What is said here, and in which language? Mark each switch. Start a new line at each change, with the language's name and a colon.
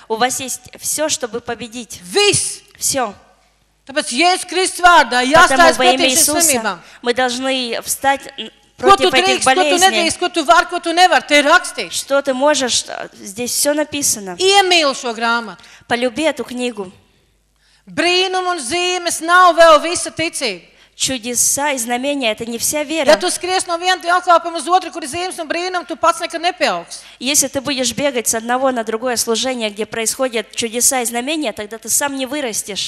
Russian: У вас есть все, чтобы победить.
Latvian: Viss.
Russian: Все.
Latvian: Tāpēc Jēzus Kristus vārdā, jāstājas pretī šīm slimībām.
Russian: Мы должны встать против этих болезней.
Latvian: Ko tu nedrīkst, ko tu var, ko tu nevar, te rakstīt.
Russian: Что ты можешь, здесь все написано.
Latvian: Iemīli šo grāmatu.
Russian: Полюби эту книгу.
Latvian: Brīnumu un zīmes nav vēl visa ticība.
Russian: Чудеса и знамения это не вся вера.
Latvian: Ja tu skries no viena dialkāpuma uz otru, kur ir zīmes un brīnumi, tu pats nekad nepieaugs.
Russian: Если ты будешь бегать с одного на другое служение, где происходят чудеса и знамения, тогда ты сам не вырастешь.